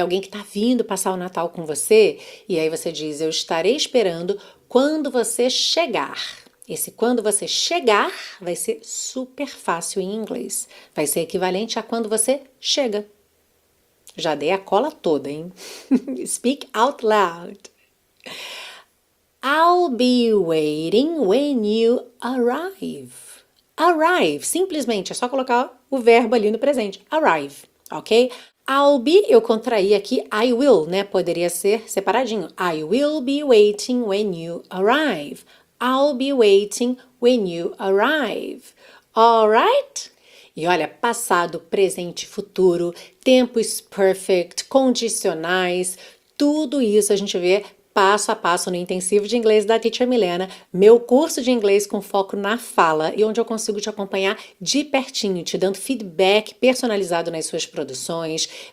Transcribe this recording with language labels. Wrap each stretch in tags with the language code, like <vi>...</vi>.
<pt>Alguém que está vindo passar o Natal com você, e aí você diz: Eu estarei esperando quando você chegar. Esse quando você chegar vai ser super fácil em inglês. Vai ser equivalente a quando você chega. Já dei a cola toda, hein?</pt> <en>Speak out loud. I'll be waiting when you arrive.</en> <pt>Arrive, simplesmente é só colocar o verbo ali no presente. Arrive, ok?</pt> <en>I'll be,</en> <pt>eu contraí aqui,</pt> <en>I will,</en> <pt>né? Poderia ser separadinho.</pt> <en>I will be waiting when you arrive. I'll be waiting when you arrive. All right?</en> <pt>E olha, passado, presente, futuro, tempo is perfect, condicionais, tudo isso a gente vê passo a passo no intensivo de inglês da Teacher Milena, meu curso de inglês com foco na fala e onde eu consigo te acompanhar de pertinho, te dando feedback personalizado nas suas produções.</pt>